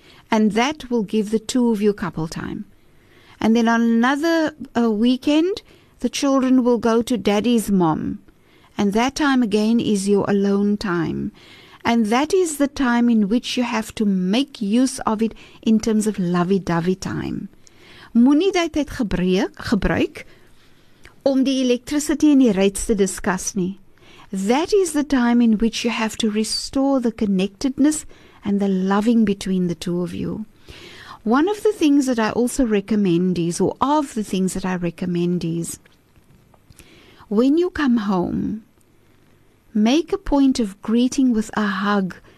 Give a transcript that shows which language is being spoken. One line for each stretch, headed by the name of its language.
English: And that will give the two of you couple time. And then on another weekend, the children will go to daddy's mom. And that time again is your alone time. And that is the time in which you have to make use of it in terms of lovey-dovey time.
Afrikaans: Moenie daai tyd gebruik om die elektrisiteit en die reits te discuss nie.
English: That is the time in which you have to restore the connectedness and the loving between the two of you. One of the things that I also recommend is, or of the things that I recommend is, when you come home, make a point of greeting with a hug.